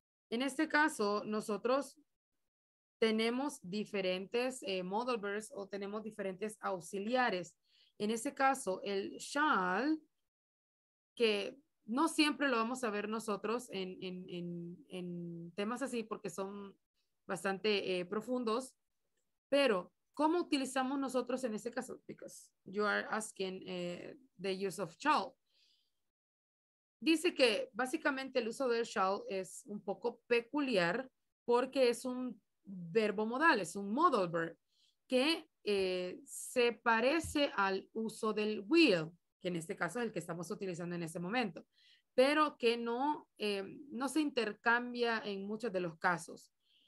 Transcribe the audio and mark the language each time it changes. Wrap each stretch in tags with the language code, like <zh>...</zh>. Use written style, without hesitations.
<es>En este caso nosotros tenemos diferentes modal verbs o tenemos diferentes auxiliares. En este caso el shall, que no siempre lo vamos a ver nosotros en temas así porque son bastante profundos, pero ¿cómo utilizamos nosotros en este caso?</es> <en>Because you are asking the use of shall.</en> <es>Dice que básicamente el uso del shall es un poco peculiar porque es un verbo modal, es un modal verb que se parece al uso del will, que en este caso es el que estamos utilizando en este momento, pero que no se intercambia en muchos de los casos.</es>